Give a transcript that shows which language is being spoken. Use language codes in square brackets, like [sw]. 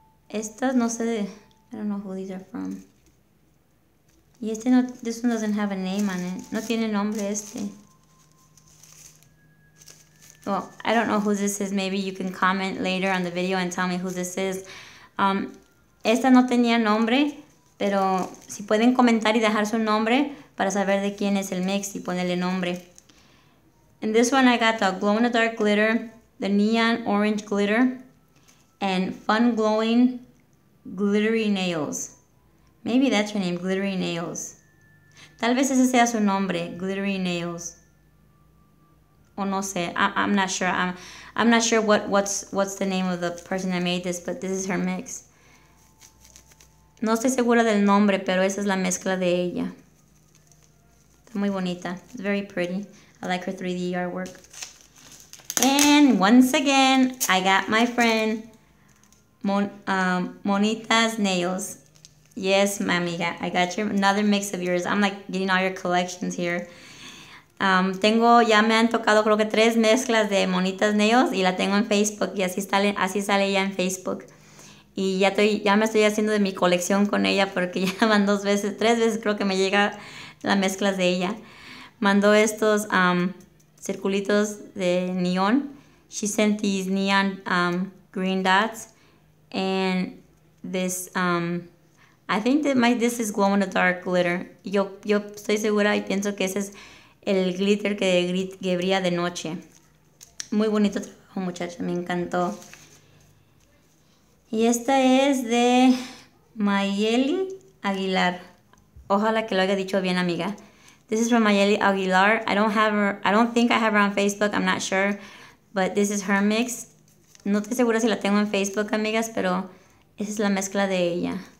[es] Estas no sé, [en] I don't know who these are from. [es] Y este no, [en] this one doesn't have a name on it. [es] No tiene nombre este. [en] Well, I don't know who this is. Maybe you can comment later on the video and tell me who this is. [es] Esta no tenía nombre, pero si pueden comentar y dejar su nombre para saber de quién es el mix y ponerle nombre. [en] And this one I got the glow in the dark glitter, the neon orange glitter, and fun glowing glittery nails. Maybe that's your name, glittery nails. [es] Tal vez ese sea su nombre, glittery nails. [en] Oh, [es] no sé. [en] I'm not sure. I'm not sure what's the name of the person that made this, but this is her mix. [es] No estoy segura del nombre, pero esa es la mezcla de ella. Está muy bonita. [en] Very pretty. I like her 3D artwork. And once again, I got my friend Monita's nails. Yes, my amiga. I got your another mix of yours. I'm like getting all your collections here. [es] Tengo, ya me han tocado creo que 3 mezclas de Monita's Nails y la tengo en Facebook y así sale ella en Facebook. Y ya me estoy haciendo de mi colección con ella porque ya van 3 veces creo que me llega las mezclas de ella. Mandó estos circulitos de neon. [en] She sent these neon green dots and this I think that this is glow in the dark glitter. [es] Yo estoy segura y pienso que ese es el glitter que brilla de noche. Muy bonito trabajo, muchacha. Me encantó. Y esta es de Mayeli Aguilar. Ojalá que lo haya dicho bien, amiga. [en] This is from Mayeli Aguilar. I don't think I have her on Facebook. I'm not sure. But this is her mix. [es] No estoy segura si la tengo en Facebook, amigas, pero esa es la mezcla de ella.